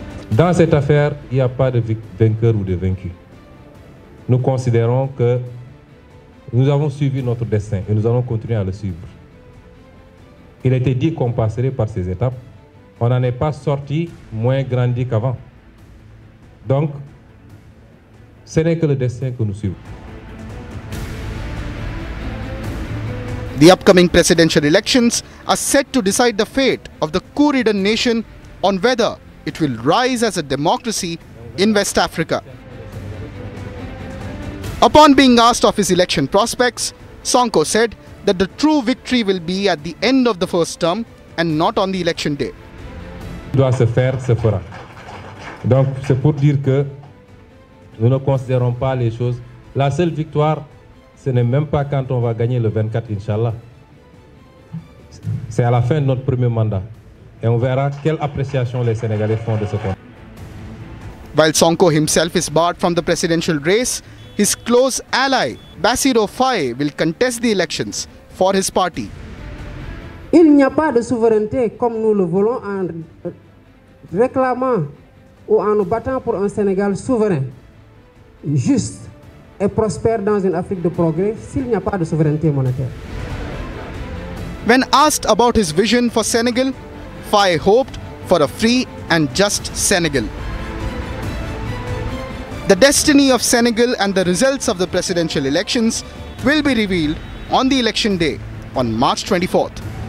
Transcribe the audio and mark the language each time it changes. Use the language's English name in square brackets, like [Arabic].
[French] Dans cette affaire, il n'y a pas de vainqueur ou de vaincu. Nous considérons que nous avons suivi notre destin et nous allons continuer à le suivre. Il était dit qu'on passerait par ces étapes. On n'en est pas sorti moins grandi qu'avant. Donc, ce n'est que le destin que nous suivons. [English] The upcoming presidential elections are set to decide the fate of the coup-ridden nation on whether it will rise as a democracy in West Africa. Upon being asked of his election prospects, Sonko said that the true victory will be at the end of the first term and not on the election day. [French] Doit se faire, se fera. Donc c'est pour dire que nous ne considérons pas les choses. La seule victoire, ce n'est même pas quand on va gagner le 24, Inch'Allah. C'est à la fin de notre premier mandat. Et on verra quelle appréciation les Sénégalais font de ce point. [English] While Sonko himself is barred from the presidential race, his close ally, Bassirou Faye, will contest the elections for his party. [French] Il n'y a pas de souveraineté comme nous le voulons en réclamant ou en nous battant pour un Sénégal souverain, juste et prospère dans une Afrique de progrès s'il n'y a pas de souveraineté monétaire. [English] When asked about his vision for Senegal, Faye hoped for a free and just Senegal. The destiny of Senegal and the results of the presidential elections will be revealed on the election day on March 24th.